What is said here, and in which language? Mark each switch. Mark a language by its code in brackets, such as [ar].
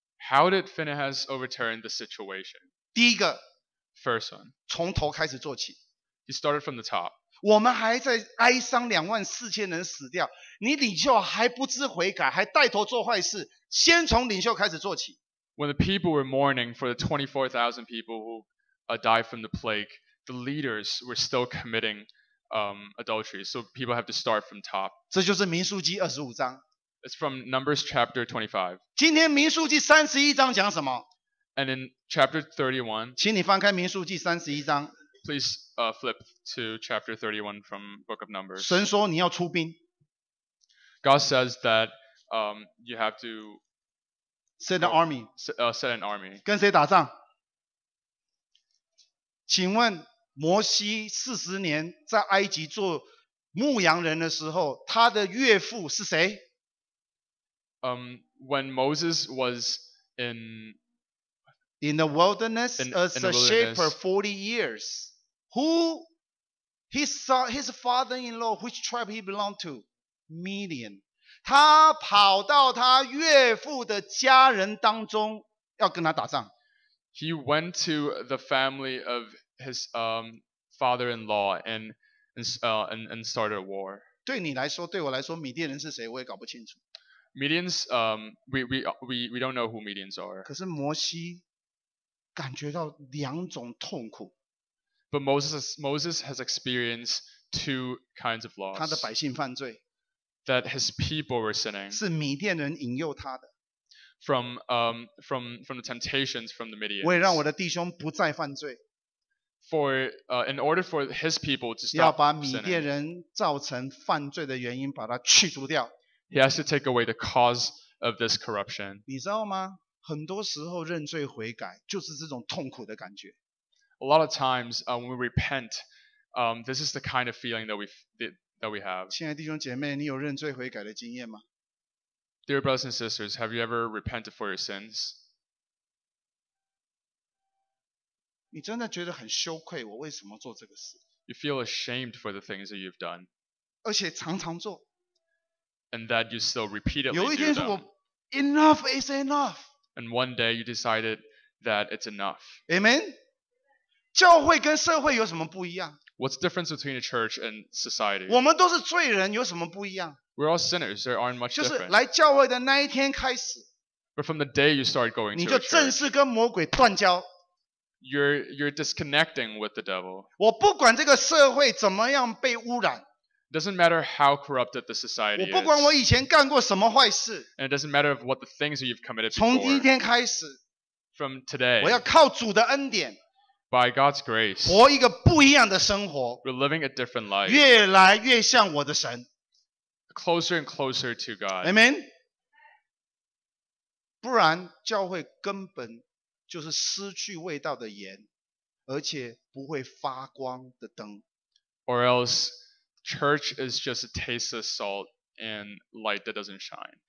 [en] ？How did Phinehas overturn the situation? [zh] 第一个 [en] ，first one， [zh] 从头开始做起。 [en] He started from the top. [zh] 我们还在哀伤两万四千人死掉，你领袖还不知悔改，还带头做坏事，先从领袖开始做起。 [en] When the people were mourning for the 24,000 people who died from the plague, the leaders were still committing adultery, so people have to start from top. [zh] 这就是民数记二十五章。 [en] It's from Numbers chapter 25. [zh] 今天民数记三十一章讲什么 [en] ？And in chapter 31, [zh] 请你翻开民数记三十一章。 [en] Please flip to chapter 31 from Book of Numbers. [zh] 神说你要出兵。 [en] God says that you have to set an army. Set an army. [zh] 跟谁打仗？请问摩西四十年在埃及做牧羊人的时候，他的岳父是谁？ [en] When Moses was in the wilderness as a shepherd 40 years, who his father-in-law, which tribe he belonged to? Midian. [zh] 他跑到他岳父的家人当中要跟他打仗。 [en] He went to the family of his father-in-law and started a war. [zh] 对你来说，对我来说，米甸人是谁，我也搞不清楚。 [en] Midians, we don't know who Midians are. [zh] 可是摩西感觉到两种痛苦。 [en] But Moses has experienced two kinds of loss. [zh] 他的百姓犯罪。 [en] That his people were sinning. [zh] 是米甸人引诱他的。 [en] From the temptations from the Midians. [zh] 为让我的弟兄不再犯罪。 [en] For in order for his people to stop. [zh] 要把米甸人造成犯罪的原因把它去除掉。 [en] He has to take away the cause of this corruption. [zh] 你知道吗？很多时候认罪悔改就是这种痛苦的感觉。 [en] A lot of times when we repent, this is the kind of feeling that we have. [zh] 亲爱的弟兄姐妹，你有认罪悔改的经验吗？ [en] Dear brothers and sisters, have you ever repented for your sins? [zh] 你真的觉得很羞愧，我为什么做这个事？ [en] You feel ashamed for the things that you've done. [zh] 而且常常做。 [en] And that you still repeatedly do them. [zh] 有一天我 [en] enough is enough. And one day you decided that it's enough. Amen. [zh] 教会跟社会有什么不一样？ [en] What's the difference between a church and society? [zh] 我们都是罪人，有什么不一样？ [en] We're all sinners. There aren't much difference. [zh] 就是来教会的那一天开始， [en] But from the day you start going to a church, [zh] 你就正式跟魔鬼断交。 [en] You're disconnecting with the devil. [zh] 我不管这个社会怎么样被污染。 [en] Doesn't matter how corrupted the society is. [zh] 我不管我以前干过什么坏事。 [en] And it doesn't matter of what the things you've committed [zh] before. 从今天开始。 [en] From today. [zh] 我要靠主的恩典。 [en] By God's grace. [zh] 活一个不一样的生活。 [en] We're living a different life. [zh] 越来越像我的神。 [en] Closer and closer to God. Amen. [zh] 不然教会根本就是失去味道的盐，而且不会发光的灯。 [en] Or else,Church is just a tasteless salt and light that doesn't shine.